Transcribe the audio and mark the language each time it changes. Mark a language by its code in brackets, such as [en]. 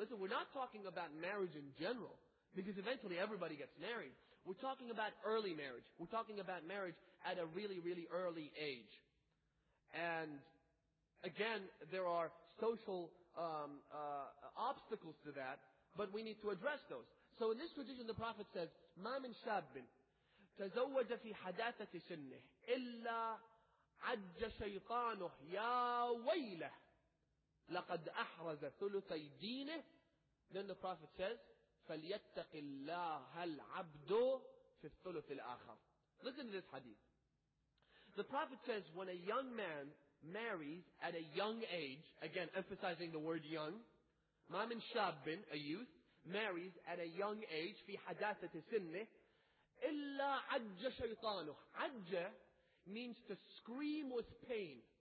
[en] Listen, we're not talking about marriage in general. Because eventually everybody gets married. We're talking about early marriage. We're talking about marriage at a really, really early age. And again, there are social obstacles to that, but we need to address those. So in this tradition, the Prophet says, [ar] مَا مِنْ شَابٍ تَزَوَّجَ فِي حَدَاثَةِ سِنِّهِ إِلَّا عَجَّ شَيْطَانُهُ يَا وَيْلَهِ لَقَدْ أَحْرَزَ ثُلُثَي دِينِهِ [en] Then the Prophet says, [ar] فَلْيَتَّقِ اللَّهَ الْعَبْدُ فِي الثُّلُثِ الْآخَرِ [en] Listen to this hadith. The Prophet says, when a young man marries at a young age, again, emphasizing the word young, [ar] مَا مِنْ شَابٍ, [en] a youth, marries at a young age, [ar] فِي حَدَاثَةِ سِنِّهِ إِلَّا عَجَّ شَيْطَانُهُ [en] عَجَّ means to scream with pain.